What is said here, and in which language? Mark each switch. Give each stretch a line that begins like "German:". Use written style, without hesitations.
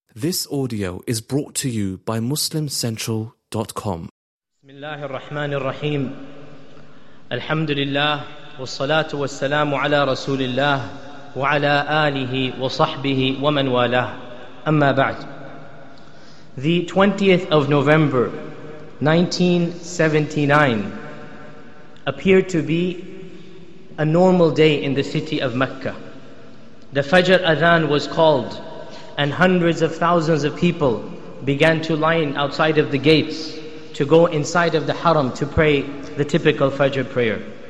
English: This audio is brought to you by MuslimCentral.com.
Arabic: بسم الله الرحمن الرحيم الحمد لله والصلاة والسلام على رسول الله وعلى آله وصحبه ومن والاه أما بعد.
English: The 20th of November 1979 appeared to be a normal day in the city of Mecca. The Fajr Adhan was called and hundreds of thousands of people began to line outside of the gates to go inside of the Haram to pray the typical Fajr prayer.